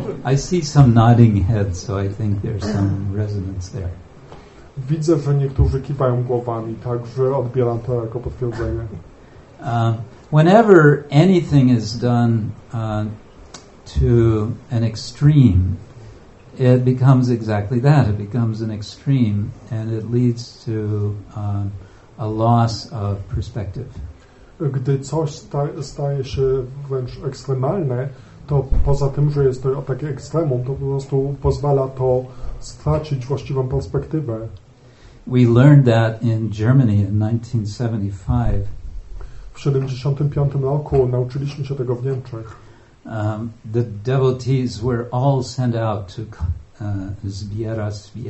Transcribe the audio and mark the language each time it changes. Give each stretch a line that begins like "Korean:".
English: I see some nodding heads, so I think there's some resonance there.
Polish: Widzę, że niektórzy kiwają głowami, także odbieram to jako potwierdzenie.
English: Whenever anything is done to an extreme, it becomes exactly that. It becomes an extreme, and it leads to a loss of perspective.
Polish: Gdy coś staje się wręcz ekstremalne, to poza tym, że jest to takie ekstremum, to po prostu pozwala to stracić właściwą perspektywę.
English: We learned that in Germany in 1975.
Polish: W 75 roku nauczyliśmy się tego w Niemczech.
English: The devotees were all sent out to
Polish: zbierać.